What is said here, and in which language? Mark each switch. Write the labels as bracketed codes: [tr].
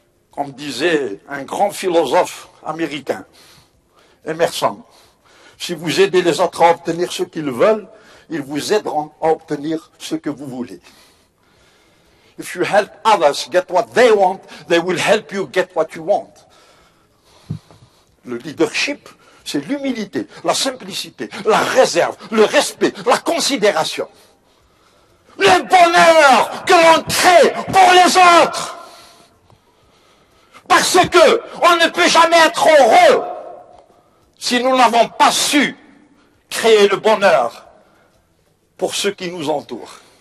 [fr] Comme disait un grand philosophe américain, Emerson, si vous aidez les autres à obtenir ce qu'ils veulent, ils vous aideront à obtenir ce que vous voulez. [en] If you help others get what they want, they will help you get what you want. [fr] Le leadership, c'est l'humilité, la simplicité, la réserve, le respect, la considération. Le bonheur que l'on crée pour les autres. Parce que on ne peut jamais être heureux si nous n'avons pas su créer le bonheur pour ceux qui nous entourent.